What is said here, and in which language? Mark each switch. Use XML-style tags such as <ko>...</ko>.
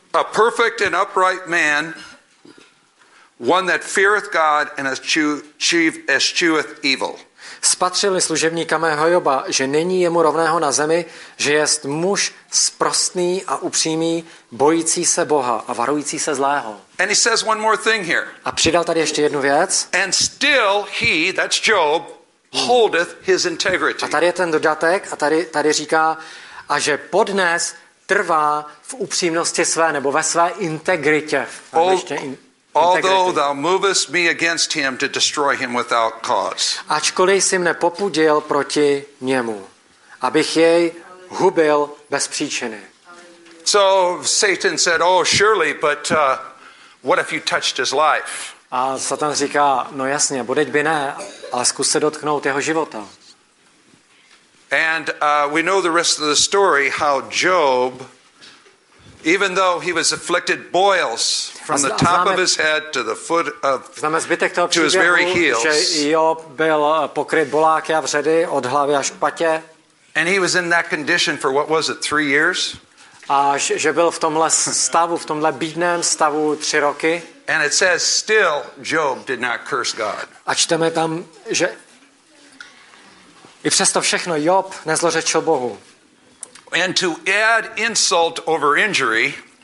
<en>A perfect and upright man, one that feareth God and eschew evil.</en> <cs>Spatřili služebníka mého Joba, že není jemu rovného na zemi, že jest muž sprostný a upřímný, bojící se Boha a varující se zlého.</cs> <en>And he says one more thing here.</en> <cs>A přidal tady ještě jednu věc.</cs> <en>And still he, that's Job, holdeth his integrity.</en> <cs>A tady je ten dodatek a tady říká, a že podnes trvá v upřímnosti své nebo ve své integritě.</cs> <en>Although thou movest me against him to destroy him without cause.</en> <cs>Ačkoliv jsi mne popudil proti němu, abych jej hubil bez příčiny.</cs> <en>So Satan said, oh surely, but what if you touched his life?</en> <cs>A Satan říká, no jasně, budeť by ne, ale zkus se dotknout jeho života.</cs> <en>And we know the rest of the story, how Job, even though he was afflicted boils from the top of his head to the foot of to his very heels,</en> <cs>že Job byl pokryt boláky a vředy od hlavy až k patě.</cs> <en>And he was in that condition for what was it, 3 years?</en> <cs>A že byl v tomhle stavu, v tomhle bídném stavu 3 roky.</cs> <en>And it says still Job did not curse God.</en> <cs>A čteme tam, že i přesto všechno Job nezlořečil Bohu.</cs> <en>And to add insult over injury.</en>